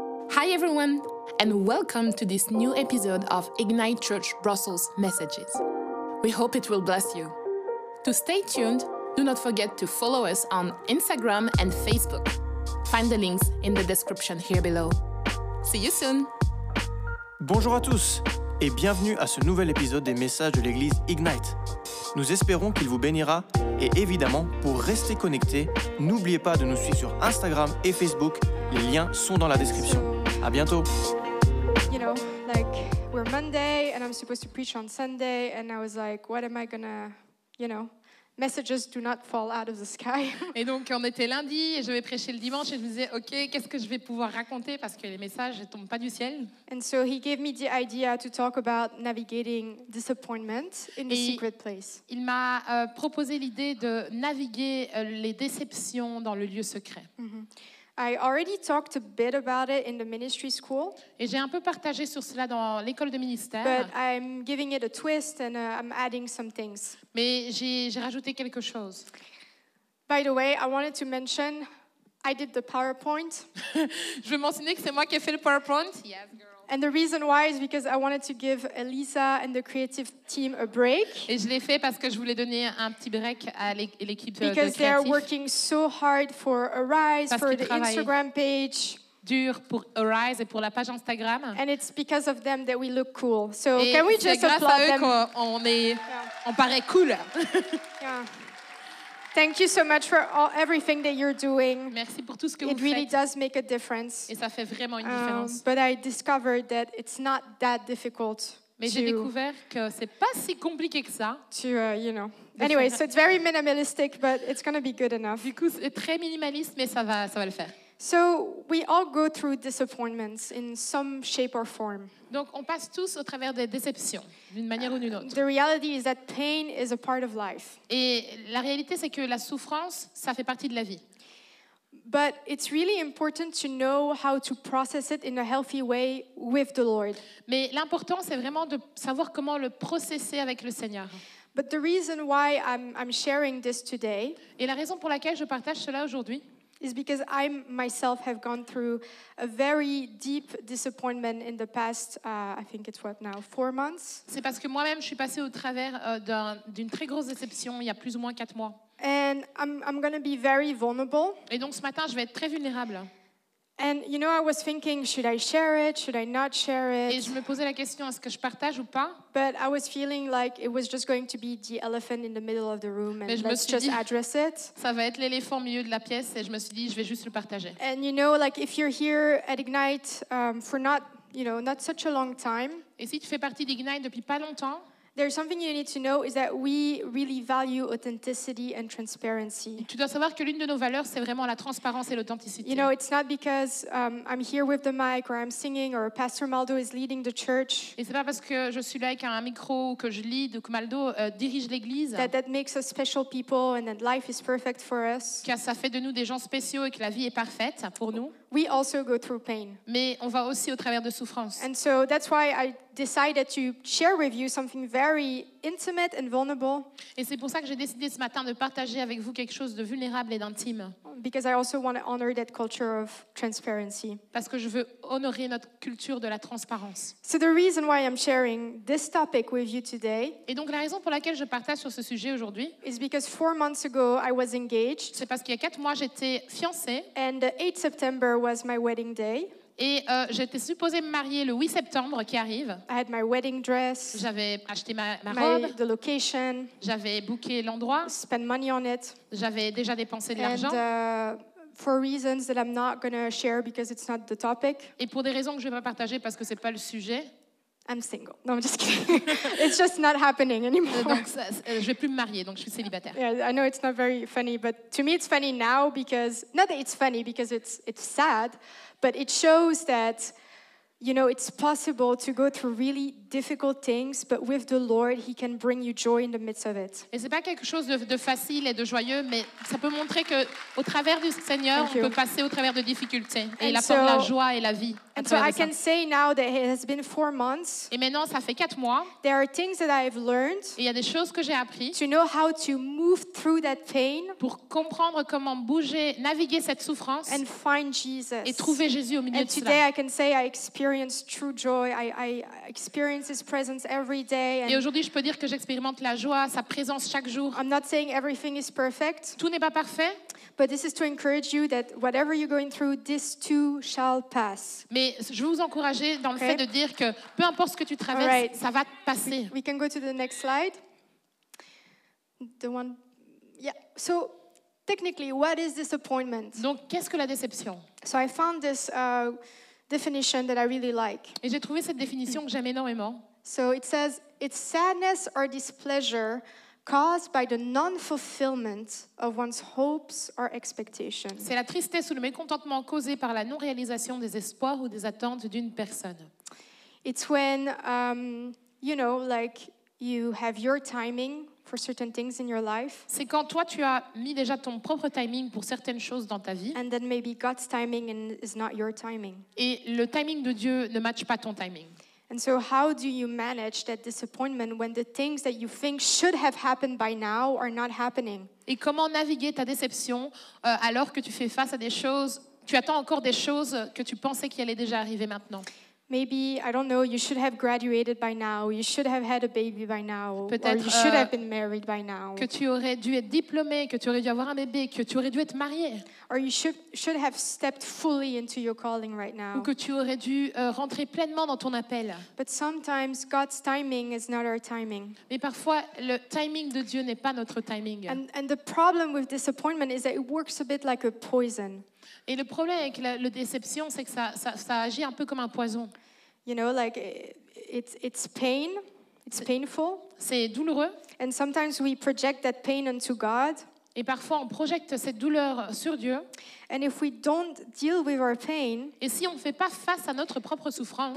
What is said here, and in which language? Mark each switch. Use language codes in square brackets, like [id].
[en] Hi everyone, and welcome to this new episode of Ignite Church Brussels Messages. We hope it will bless you. To stay tuned, do not forget to follow us on Instagram and Facebook. Find the links in the description here below. See you soon! [fr] Bonjour à tous, et bienvenue à ce nouvel épisode des messages de l'église Ignite. Nous espérons qu'il vous bénira, et évidemment, pour rester connecté, n'oubliez pas de nous suivre sur Instagram et Facebook. Les liens sont dans la description. À bientôt. [en] You know, like, we're Monday and I'm supposed to preach on Sunday and I was like, what am I gonna, you know, messages do not fall out of the sky. [fr] Et donc, on était lundi et je vais prêcher le dimanche et je me disais, ok, qu'est-ce que je vais pouvoir raconter parce que les messages ne tombent pas du ciel. [en] And so he gave me the idea to talk about navigating disappointment in the secret place. [fr] Il m'a proposé l'idée de naviguer les déceptions dans le lieu secret. Mm-hmm. [en] I already talked a bit about it in the ministry school. [fr] Et j'ai un peu partagé sur cela dans l'école de ministère. [en] But I'm giving it a twist and I'm adding some things. [fr] Mais j'ai rajouté quelque chose. [en] By the way, I wanted to mention I did the PowerPoint. [fr] Je veux mentionner que c'est moi qui ai fait le PowerPoint. [en] Yes, girl. And the reason why is because I wanted to give Elisa and the creative team a break. [fr] Et je l'ai fait parce que je voulais donner un petit break à l'équipe de [en] Because they are working so hard for Arise, [fr] parce [en] for the Instagram page. [fr] Dur pour Arise et pour la page Instagram. [en] And it's because of them that we look cool. So [fr] et [en] can we just [fr] c'est grâce [en] applaud [fr] à eux [en] them? [fr] Qu'on est, yeah. On paraît cool. [en] Yeah. Thank you so much for everything that you're doing. [fr] Merci pour tout ce que [en] it [fr] vous [en] really [fr] faites. [en] Does make a difference. [fr] Et ça fait vraiment une différence. [en] But I discovered that it's not that difficult. [fr] Mais j'ai découvert que c'est pas si compliqué que ça. [en] To, you know. Anyway, so it's very minimalistic, but it's going to be good enough. [fr] Du coup, c'est très minimaliste, mais ça va le faire. [en] So we all go through disappointments in some shape or form. [fr] Donc on passe tous au travers des déceptions, d'une manière ou d'une autre. [en] The reality is that pain is a part of life. [fr] Et la réalité c'est que la souffrance, ça fait partie de la vie. [en] But it's really important to know how to process it in a healthy way with the Lord. [fr] Mais l'important c'est vraiment de savoir comment le processer avec le Seigneur. [en] But the reason why I'm sharing this today. [fr] Et la raison pour laquelle je partage cela aujourd'hui. [en] Is because I myself have gone through a very deep disappointment in the past, I think it's what now, 4 months. [fr] C'est parce que moi-même je suis passée au travers d'une très grosse déception il y a plus ou moins 4 mois. [en] And I'm going to be very vulnerable. [fr] Et donc ce matin je vais être très vulnérable. [en] And you know, I was thinking, should I share it? Should I not share it? [fr] Et je me posais la question, est-ce que je partage ou pas? [en] But I was feeling like it was just going to be the elephant in the middle of the room, and [fr] Mais je [en] let's [fr] me suis [en] just [fr] dit, [en] address it. [fr] Ça va être l'éléphant au milieu de la pièce, et je me suis dit, je vais juste le partager. [en] And you know, like if you're here at Ignite for not, you know, not such a long time. [fr] Et si tu fais partie d'Ignite depuis pas longtemps. [en] There's something you need to know is that we really value authenticity and transparency. [fr] Tu dois savoir que l'une de nos valeurs c'est vraiment la transparence et l'authenticité. [en] You know, it's not because I'm here with the mic or I'm singing or Pastor Maldo is leading the church. [fr] Et c'est pas parce que je suis là avec un micro ou que je lead ou que Maldo dirige l'église. [en] That makes us special people and that life is perfect for us. [fr] Que ça fait de nous des gens spéciaux et que la vie est parfaite pour nous. [en] We also go through pain. [fr] Mais on va aussi au travers de souffrances. [en] And so that's why I decided to share with you something very intimate and vulnerable. [fr] Et c'est pour ça que j'ai décidé ce matin de partager avec vous quelque chose de vulnérable et d'intime. [en] Because I also want to honor that culture of transparency. [fr] Parce que je veux honorer notre culture de la transparence. [en] So the reason why I'm sharing this topic with you today. [fr] Et donc la raison pour laquelle je partage sur ce sujet aujourd'hui. [en] Is because 4 months ago I was engaged. [fr] C'est parce qu'il y a 4 mois j'étais fiancée. [en] And the 8th September was my wedding day. [fr] Et j'étais supposée me marier le 8 septembre qui arrive. [en] I had my wedding dress. [fr] J'avais acheté ma robe. [en] The location. [fr] J'avais booké l'endroit. [en] Spent money on it. [fr] J'avais déjà dépensé de l'argent. [en] And for reasons that I'm not going to share because it's not the topic. [fr] Et pour des raisons que je vais pas partager parce que c'est pas le sujet. [en] I'm single. No, I'm just kidding. It's just not happening anymore. [fr] Donc, je vais plus me marier, donc je suis célibataire. [en] Yeah, I know it's not very funny, but to me it's funny now because not that it's funny because it's sad. But it shows that, you know, it's possible to go through really difficult things, but with the Lord, He can bring you joy in the midst of it. [fr] Et c'est pas quelque chose de facile et de joyeux, mais ça peut montrer que au travers du Seigneur, on peut passer au travers de difficultés et il apporte la joie et la vie. [en] And so I can say now that it has been 4 months. [fr] Et maintenant, ça fait 4 mois. [en] There are things that I've learned. [fr] Et il y a des choses que j'ai appris. [en] To know how to move through that pain. [fr] Pour comprendre comment bouger, naviguer cette souffrance. [en] And find Jesus. [fr] Et trouver Jésus au milieu de cela. [en] And today I can say I experience true joy. I experience His presence every day. [fr] Et aujourd'hui, je peux dire que j'expérimente la joie, sa présence chaque jour. [en] I'm not saying everything is perfect. [fr] Tout n'est pas parfait. [en] But this is to encourage you that whatever you're going through, this too shall pass. [fr] Mais je veux vous encourager dans le fait de dire que peu importe ce que tu traverses, ça va passer. [en] We can go to the next slide. The one, So technically, what is disappointment? [fr] Donc, qu'est-ce que la déception? [en] So I found this definition that I really like. [fr] Et j'ai trouvé cette définition que j'aime énormément. [en] So it says, it's sadness or displeasure caused by the non-fulfillment of one's hopes or expectations. [fr] C'est la tristesse ou le mécontentement causé par la non-réalisation des espoirs ou des attentes d'une personne. [en] It's when, you know, like you have your timing for certain things in your life. [fr] C'est quand toi tu as mis déjà ton propre timing pour certaines choses dans ta vie. [en] And then maybe God's timing is not your timing. [fr] Et le timing de Dieu ne matche pas ton timing. [en] And so how do you manage that disappointment when the things that you think should have happened by now are not happening? [fr] Et comment naviguer ta déception alors que tu fais face à des choses, tu attends encore des choses que tu pensais qui allaient déjà arriver maintenant? [en] Maybe, I don't know, you should have graduated by now, you should have had a baby by now, [fr] peut-être, [en] or you should have been married by now. [fr] Que tu aurais dû être diplômé, que tu aurais dû avoir un bébé, que tu aurais dû être marié. [en] Or you should have stepped fully into your calling right now. [fr] Ou que tu aurais dû rentrer pleinement dans ton appel. [en] But sometimes God's timing is not our timing. [fr] Mais parfois, le timing de Dieu n'est pas notre timing. [en] And the problem with disappointment is that it works a bit like a poison. [fr] Et le problème avec la déception, c'est que ça agit un peu comme un poison. [en] You know, like it's pain, it's painful. [fr] C'est douloureux. [en] And sometimes we project that pain onto God. [fr] Et parfois on projette cette douleur sur Dieu. [en] And if we don't deal with our pain, [fr] et si on fait pas face à notre propre souffrance,